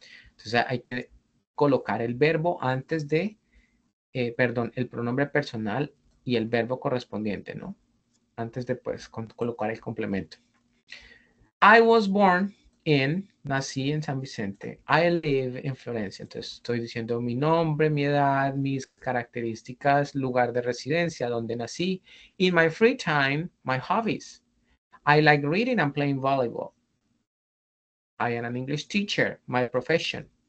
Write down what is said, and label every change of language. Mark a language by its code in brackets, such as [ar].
[es] Entonces hay que colocar el verbo antes de, el pronombre personal y el verbo correspondiente, ¿no? Antes de, pues, colocar el complemento. [en] I was born in, [es] nací en San Vicente. [en] I live in Florencia. [es] Entonces, estoy diciendo mi nombre, mi edad, mis características, lugar de residencia, donde nací. [en] In my free time, my hobbies. I like reading and playing volleyball. I am an English teacher, my profession.